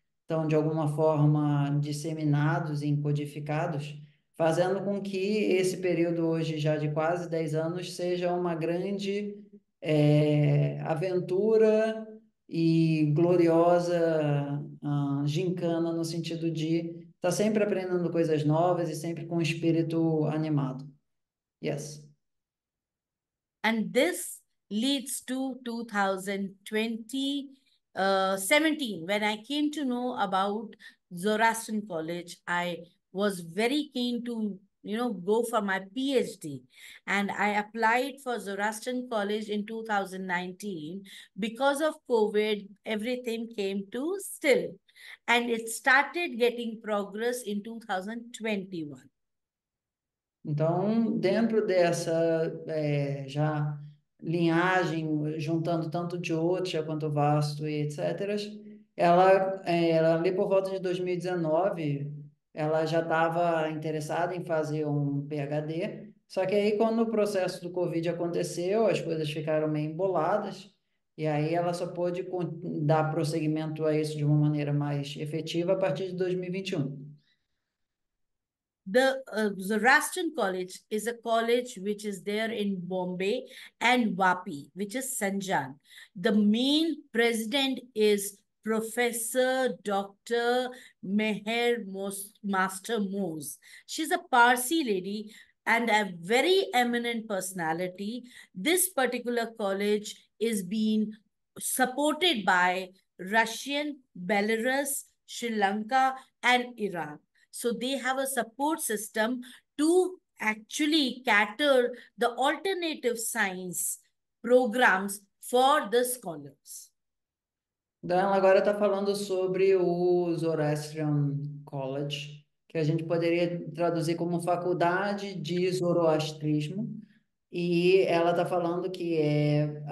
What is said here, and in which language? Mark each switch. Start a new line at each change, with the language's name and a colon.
Portuguese: estão, de alguma forma, disseminados e codificados, fazendo com que esse período hoje, já de quase 10 anos, seja uma grande aventura e gloriosa gincana, no sentido de estar sempre aprendendo coisas novas e sempre com espírito animado.
English: Yes. And this leads to 2020, 17, when I came to know about Zoroastrian College. I was very keen to, go for my PhD. And I applied for Zoroastrian College in 2019. Because of COVID, everything came to still. And it started getting progress in 2021.
Portuguese: Então, dentro dessa já linhagem, juntando tanto Jyotish quanto Vastu e etc., ela ali por volta de 2019, ela já estava interessada em fazer um PhD, só que aí, quando o processo do Covid aconteceu, as coisas ficaram meio emboladas, e aí ela só pôde dar prosseguimento a isso de uma maneira mais efetiva a partir de 2021.
English: The Zoroastrian College is a college which is there in Bombay and Vapi, which is Sanjan. The main president is Professor Dr. Meher Most, Master Mose. She's a Parsi lady and a very eminent personality. This particular college is being supported by Russian, Belarus, Sri Lanka, and Iran. So they have a support system to actually cater the alternative science programs for the scholars.
Portuguese: Então, ela agora está falando sobre o Zoroastrian College, que a gente poderia traduzir como Faculdade de Zoroastrismo, e ela está falando que é